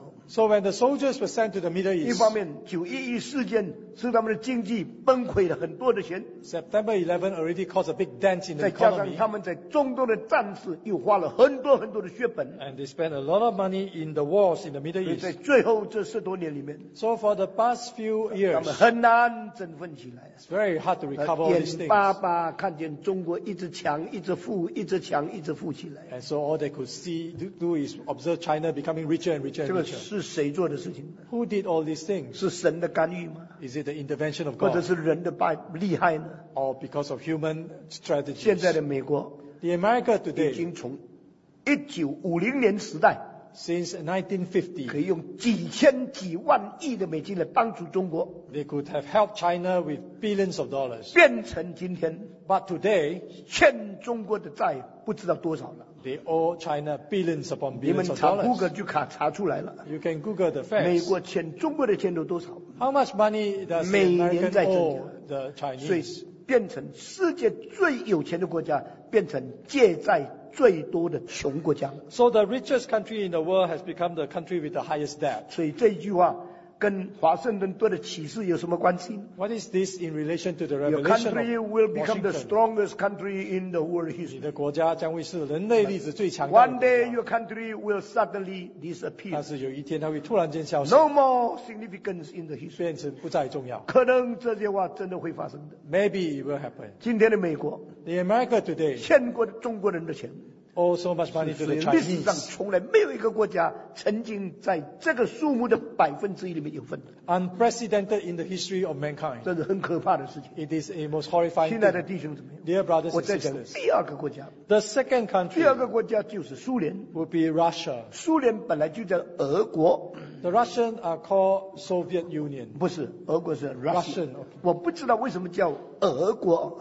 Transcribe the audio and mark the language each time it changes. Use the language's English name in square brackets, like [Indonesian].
[English] So when the soldiers were sent to the Middle East, [Chinese] 一方面, 911事件使他们的经济崩溃了很多的钱, [English] September 11 already caused a big dent in the economy. [Chinese] 再加上他们在中东的战事又花了很多很多的血本, [English] and they spent a lot of money in the wars in the Middle East. [Chinese] 所以在最后这十多年里面, [English] so for the past few years, [Chinese] 他们很难振奋起来, [English] it's very hard to recover all these things. [Chinese] 眼巴巴看见中国一直强一直富一直强一直富起来, [English] and so all they could see do is observe China becoming richer and richer and richer. [Chinese] 谁做的事情? [English] Who did all these things? [Chinese] 是神的干预吗? [English] Is it the intervention of God? [Chinese] 或者是人的厉害呢? [English] Or because of human strategies? [Chinese] 现在的美国, [English] the America today, [Chinese] 已经从1950年时代, [English] since 1950, [Chinese] 可以用几千几万亿的美金来帮助中国, [English] they could have helped China with billions of dollars, [Chinese] 变成今天, [English] but today, [Chinese] 欠中国的债不知道多少了, [English] they owe China billions upon billions of dollars. [Chinese] 你们查Google就查出来了。 [English] You can Google the facts. [Chinese] 美国欠中国的钱都多少? [English] How much money does the American owe the Chinese? [Chinese] 所以变成世界最有钱的国家, 变成借债最多的穷国家。 [English] So the richest country in the world has become the country with the highest debt. [Chinese] 所以这一句话跟华盛顿对的启示有什么关系？ [English] What is this in relation to the revelation? Your country will become the strongest country in the world history. [Chinese] 你的国家将会是人类历史最强大的。 [English] One day your country will suddenly disappear. [Chinese] 但是有一天它会突然间消失。 [English] No more significance in the history. [Chinese] 变成不再重要。可能这些话真的会发生的。 [English] Maybe it will happen. [Chinese] 今天的美国 [English] ，The America today， [Chinese] 欠过中国人的钱。 [English] Oh, so much money to the Chinese. [Chinese] 历史上从来没有一个国家曾经在这个数目的百分之一里面有份。 [English] Unprecedented in the history of mankind. [Chinese] 这是很可怕的事情。 [English] It is a most horrifying thing. [Chinese] 亲爱的弟兄姊妹 [English] ，Dear brothers and sisters， [Chinese] 我在讲第二个国家。 [English] The second country. [Chinese] 第二个国家就是苏联。 [English] Would be Russia. [Chinese] 苏联本来就叫俄国。 [English] The Russians are called Soviet Union. [Chinese] 不是，俄国是 [English] Russian。 [Chinese] 我不知道为什么叫俄国。